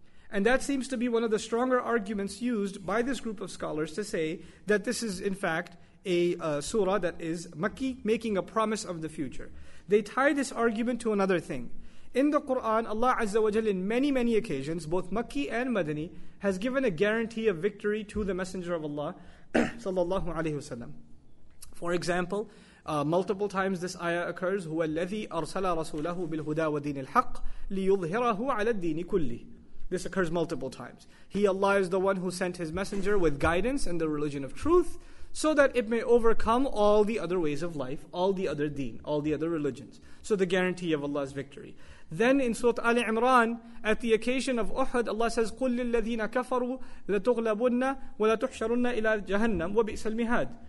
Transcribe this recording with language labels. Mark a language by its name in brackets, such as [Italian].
[English] And that seems to be one of the stronger arguments used by this group of scholars to say that this is in fact a surah that is Makki, making a promise of the future. They tie this argument to another thing. In the Qur'an, Allah Azza wa Jalla in many, many occasions, both Makki and Madani, has given a guarantee of victory to the Messenger of Allah, sallallahu alayhi wa sallam. For example, multiple times this ayah occurs, [Arabic] هُوَ الَّذِي أَرْسَلَ رَسُولَهُ بِالْهُدَى وَدِينِ الْحَقِّ لِيُظْهِرَهُ عَلَى الدِّينِ كُلِّهِ. [English] This occurs multiple times. He, Allah, is the one who sent his Messenger with guidance in the religion of truth, so that it may overcome all the other ways of life, all the other deen, all the other religions. So the guarantee of Allah's victory. Then in Surah Ali Imran, at the occasion of Uhud, Allah says, [Arabic] قُلْ لِلَّذِينَ كَفَرُوا لَتُغْلَبُنَّ وَلَتُحْشَرُنَّ إِلَىٰ جَهَنَّمُ وَبِئْسَ الْمِهَادِ.